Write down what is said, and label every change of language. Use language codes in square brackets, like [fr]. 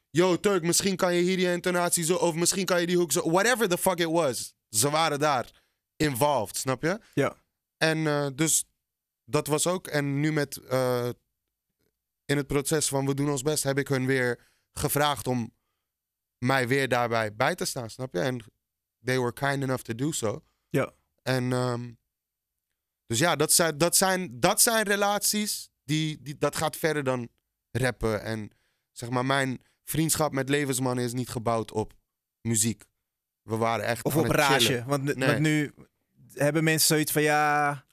[nl] Yo, Turk, misschien kan je hier die intonatie zo, of misschien kan je die hoek zo, [en] whatever the fuck it was. [nl] Ze waren daar involved, snap je? Ja. En dus dat was ook. En nu met in het proces van We Doen Ons Best heb ik hun weer gevraagd om mij weer daarbij bij te staan, snap je? [en] En they were kind enough to do so. [nl] Ja. En dus ja, dat zijn relaties die dat gaat verder dan rappen. En zeg maar, mijn vriendschap met Levensmannen is niet gebouwd op muziek. We waren echt of aan op het rage. Chillen. Want nu hebben mensen zoiets van ja.